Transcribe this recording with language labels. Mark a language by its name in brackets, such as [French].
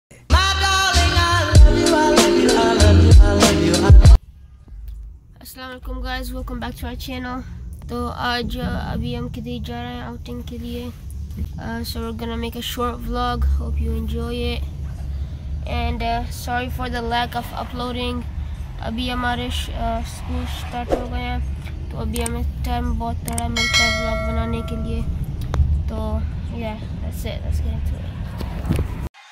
[English] My darling, I love you, I love you, I love you, I love you. Assalamu alaikum, guys. Welcome back to our channel. [Hindi] सो आज अभी हम किधर जा रहे हैं outing के लिए. [English] So we're gonna make a short vlog. Hope you enjoy it. And sorry for the lack of uploading. [Hindi] अभी हमारे स्कूल स्टार्ट हो गया, तो अभी हमें टाइम बहुत थोड़ा मिलता है व्लॉग बनाने के लिए. [English] So yeah, that's it. Let's get into it.